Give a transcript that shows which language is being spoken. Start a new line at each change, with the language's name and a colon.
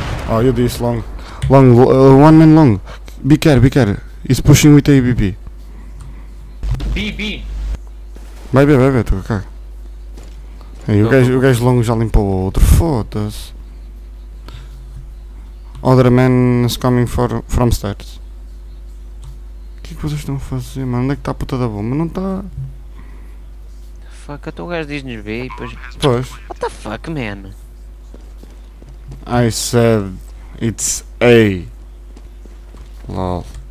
Portuguese: Oh, eu disse
English: long. Long, one man long. Be care, be care. He's pushing with ABB. BB?
Portuguese: Vai ver, vai ver, tu cá. E o gajo long já limpou o outro, foda-se.
English: Other man is coming from stairs.
Portuguese: O que é que vocês estão a fazer, mano? Onde é que está a puta da bomba? Não está. Fuck, até o gajo diz-nos ver e depois. Pois.
English: What the fuck, man? I said it's A. Lol.